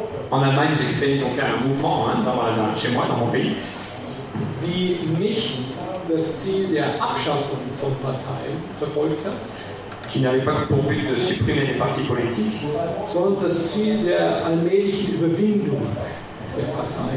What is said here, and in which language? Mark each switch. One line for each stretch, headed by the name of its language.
French: En Allemagne, j'ai créé donc un mouvement, hein, chez moi, dans mon pays.
German: Die nicht das Ziel der Abschaffung von Parteien verfolgt hat.
French: Qui n'avait pas pour but de supprimer les partis politiques.
German: Sondern das Ziel der allmählichen Überwindung der Parteien.